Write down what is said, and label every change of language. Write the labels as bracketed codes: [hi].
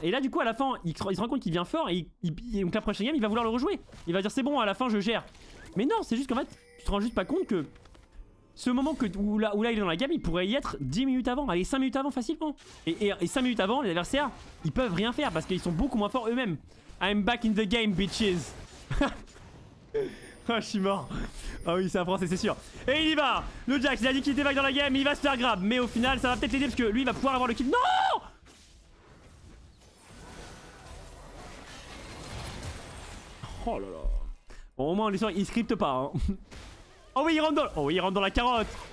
[fr] Et là du coup à la fin, il se rend compte qu'il vient fort, et donc la prochaine game il va vouloir le rejouer. Il va dire c'est bon, à la fin je gère. Mais non, c'est juste qu'en fait, tu te rends juste pas compte que ce moment où là il est dans la game, il pourrait y être 10 minutes avant, allez 5 minutes avant facilement. Et 5 minutes avant, les adversaires, ils peuvent rien faire parce qu'ils sont beaucoup moins forts eux-mêmes. [en] I'm back in the game, bitches. [fr] Ah, je suis mort. Ah oui, c'est un français, c'est sûr. Et il y va. Le Jax, il a dit qu'il était back dans la game, il va se faire grab. Mais au final, ça va peut-être l'aider parce que lui, il va pouvoir avoir le kill. Non! Oh là là. Bon, au moins les gens ils scriptent pas. Hein. Oh oui, il rentre dans. Oh oui, il rentre dans la carotte.